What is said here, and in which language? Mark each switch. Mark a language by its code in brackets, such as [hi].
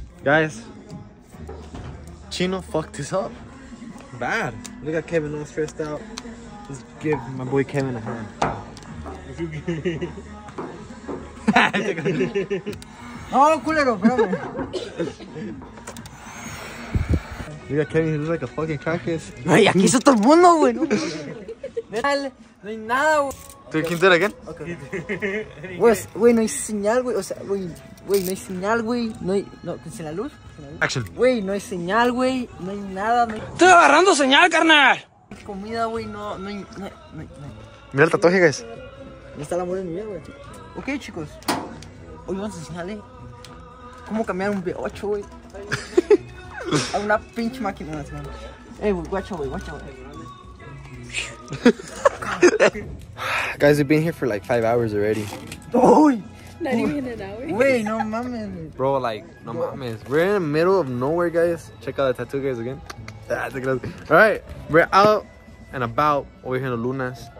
[en] Guys, Chino fucked this up. Bad. Look at Kevin all stressed out. Just give my boy Kevin a hand. Oh, culero, bro. Look at Kevin, he looks like a fucking crackhead. [es] Wey, aquí está todo el mundo, wey. No hay nada, wey. [en] Do you can do it again? Okay. [es] Wey, no hay señal, wey. O sea, wey, no hay señal, wey. No hay. No, ¿sin la luz? [en] Action. [es] Wey, no hay señal, wey. No hay nada, wey. Estoy agarrando señal, carnal. Comida, wey, no hay. Mira el tatuaje, guys. Ahí está la mole en mi vida, wey. Ok, chicos. Hoy vamos a enseñarle cómo cambiar un V8, wey. A una pinche máquina de la semana. Hey, wey, guacho, wey. [en] Guys, we've been here for like 5 hours already. Oy, not even an hour. [es] Wait, no mames. [en] Bro, like, [es] no mames. [en] We're in the middle of nowhere, guys. Check out the tattoo, guys, again. Alright, we're out and about over here in the Lunas.